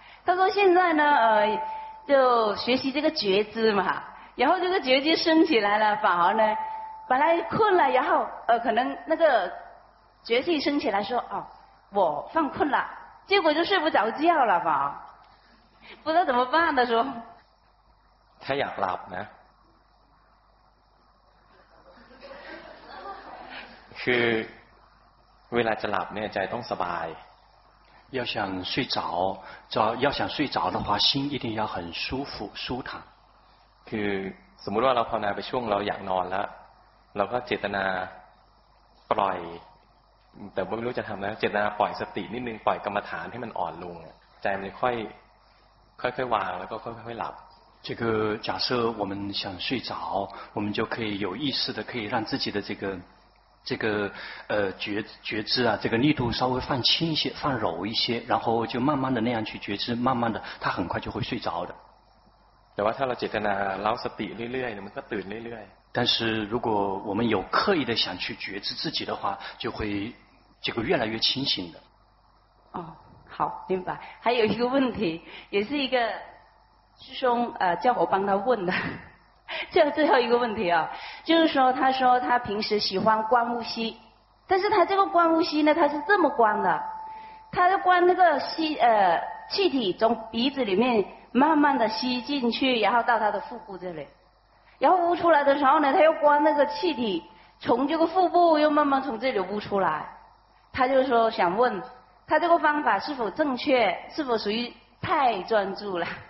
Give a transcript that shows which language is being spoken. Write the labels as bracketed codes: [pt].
[zh] 他说现在呢，就学习这个觉知嘛，然后这个觉知升起来了，反而呢，本来困了，然后可能那个觉性升起来说，哦，我犯困了，结果就睡不着觉了吧，不知道怎么办的说。他想 [th] หลับนะ，คือเวลาจะหลับเนี่ยใจต้องสบาย [zh] 要想睡着，要想睡着的话，心一定要很舒服、舒坦。 [th] คือสมมติว่าเราภาวนาไปช่วงเราอยากนอนแล้ว เราก็เจตนาปล่อยแต่ไม่รู้จะทำแล้วเจตนาปล่อยสตินิดนึงปล่อยกรรมฐานให้มันอ่อนลงใจมันค่อยวางแล้วก็ค่อยหลับ [zh] 这个假设我们想睡着，我们就可以有意识的可以让自己的这个觉知啊，这个力度稍微放轻一些，放柔一些，然后就慢慢的那样去觉知，慢慢的他很快就会睡着的。 [th] แต่ว่าถ้าเราเจตนาเล่าสติเรื่อยๆมันก็ตื่นเรื่อย [zh] ๆ但是如果我们有刻意的想去觉知自己的话，就会这个越来越清醒的。哦，好，明白。还有一个问题，也是一个。师兄叫我帮他问的这最后一个问题啊，就是说他说他平时喜欢观呼吸，但是他这个观呼吸呢，他是这么观的，他就观那个吸气体从鼻子里面慢慢的吸进去，然后到他的腹部这里，然后呼出来的时候呢，他又观那个气体从这个腹部又慢慢从这里呼出来，他就说想问他这个方法是否正确，是否属于太专注了。